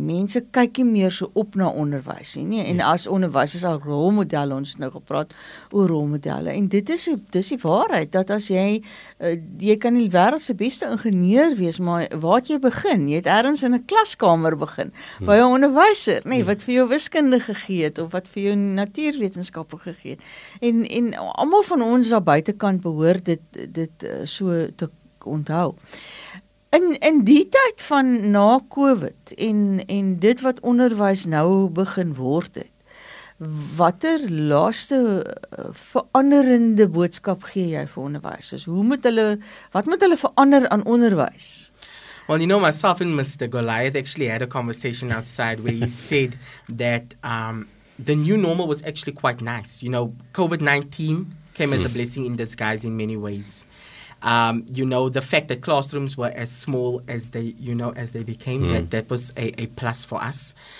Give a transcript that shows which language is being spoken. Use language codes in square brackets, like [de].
[af] Mense kyk nie meer so op na onderwys nie. En as onderwys is al rolmodelle, ons het nou gepraat oor rolmodelle. En dit is die waarheid, dat as jy, jy kan die wereld se beste ingenieur wees, maar waar het jy begin? Jy het ergens in 'n klaskamer begin, by 'n onderwyser, nee, wat vir jou wiskunde gegee het, of wat vir jou natuurwetenskappe gegee het. En almal van ons daar buitekant behoort dit so te onthou. In die tyd van na COVID en dit wat onderwys nou begin word het, watter laaste veranderende boodskap gee jy vir onderwysers? Wat moet hulle verander aan onderwys? [en] Well, you know, myself and Mr. Goliath actually had a conversation outside where he said that the new normal was actually quite nice. You know, COVID-19 came as a blessing in disguise in many ways. You know, the fact that classrooms were as small as they, you know, as they became, that was a plus for us.